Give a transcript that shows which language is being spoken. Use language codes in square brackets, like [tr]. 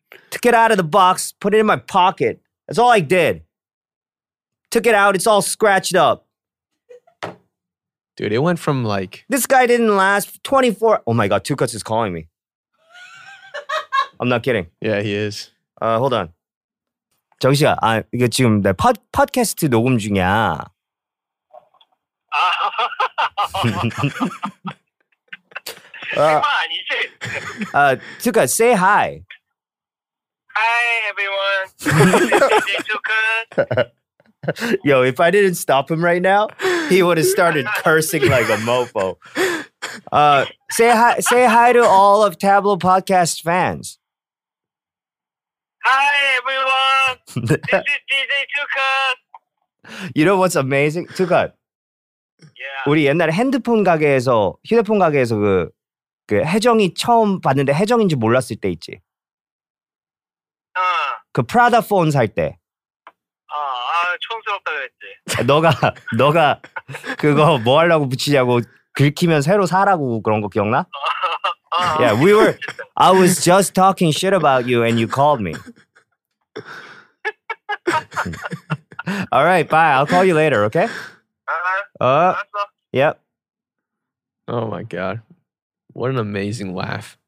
[en] Took it out of the box, put it in my pocket. That's all I did. Took it out, it's all scratched up. Dude, it went from like… This guy didn't last 24… Oh my God, Two Cuts is calling me. I'm not kidding. Yeah, he is. Hold on. [ko] 정식아, 아, 이거 지금 내 팟캐스트 녹음 중이야. 아니지? [en] 투카, say hi. Hi, everyone. This is DJ Tuka. Yo, if I didn't stop him right now, he would have started cursing like a mofo. Say hi to all of Tableau Podcast fans. Hi, everyone. This is DJ Tuka. You know what's amazing? Tuka. Yeah. [ko] 우리 옛날에 핸드폰 가게에서 휴대폰 가게에서 그 혜정이 처음 봤는데 혜정인지 몰랐을 때 있지. 아. 그 프라다 폰 살 때. 아, 촌스럽다 그랬지. 너가 그거 뭐 하려고 붙이냐고 긁히면 새로 사라고 그런 거 기억나? 아, [en] yeah, we were. [ko] 진짜. [en] I was just talking shit about you and you called me. All right, bye. I'll call you later, okay? Yep. Oh my god. What an amazing laugh.